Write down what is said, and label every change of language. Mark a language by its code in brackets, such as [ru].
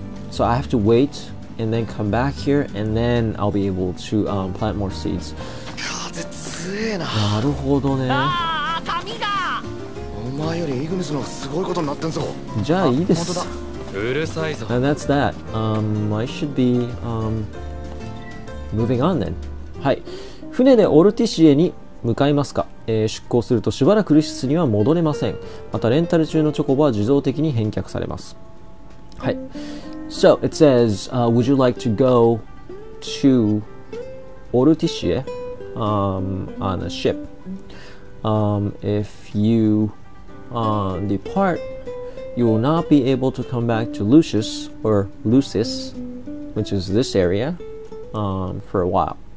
[en] So I have to wait and then come back here, and then I'll be able to plant more seeds. [ja] なるほどね。前よりイグニスの方がすごいことになってんぞ。じゃあいいです。うるさいぞ。 [en] And that's that. I should be moving on then. はい。 [ja] 船でオルティシエに向かいますか。出航するとしばらくルシスには戻れません。またレンタル中のチョコボは自動的に返却されます。はい。 [en] So it says, would you like to go to オルティシエ on a ship? If youdepart, you will not be able to come back to Lucius or Lucis, which is this area, for a while.